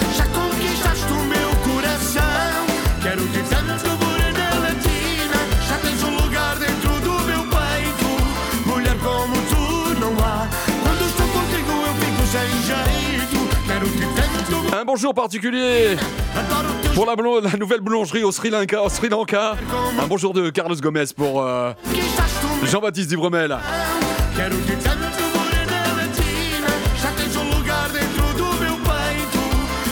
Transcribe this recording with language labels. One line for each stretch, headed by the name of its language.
Portuguese: Já conquistaste o meu coração. Quero te tanto, Morena Latina. Já tens um lugar dentro do meu peito. Mulher como tu não há. Quando estou contigo eu fico sem jeito. Quero te tanto.
French: Um bonjour particulier. Pour la nouvelle boulangerie au Sri Lanka. Un bonjour de Carlos Gomez pour Jean-Baptiste Dubremel.
Portuguese: Quero que tanto, Morena Latina. Já tens um lugar dentro do meu peito.